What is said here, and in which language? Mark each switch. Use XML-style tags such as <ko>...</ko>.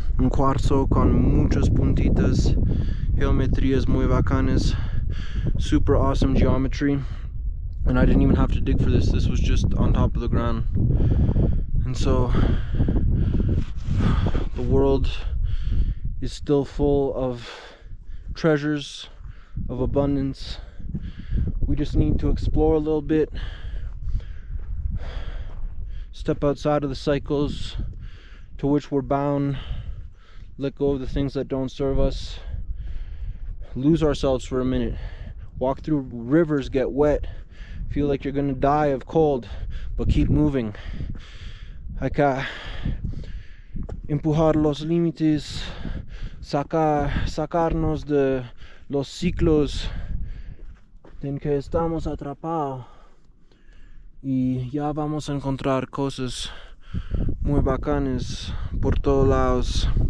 <es>Un cuarzo con muchas puntitas, geometrías muy bacanas,</es> <en>super awesome geometry. And I didn't even have to dig for this. This was just on top of the ground. And so, the world is still full of treasures, of abundance. We just need to explore a little bit. Step outside of the cycles to which we're bound. Let go of the things that don't serve us. Lose ourselves for a minute. Walk through rivers, get wet. Feel like you're gonna die of cold, but keep moving.</en> <es>Hay que empujar los límites, sacarnos de los ciclos en que estamos atrapados. Y ya vamos a encontrar cosas muy bacanas por todos lados.</es>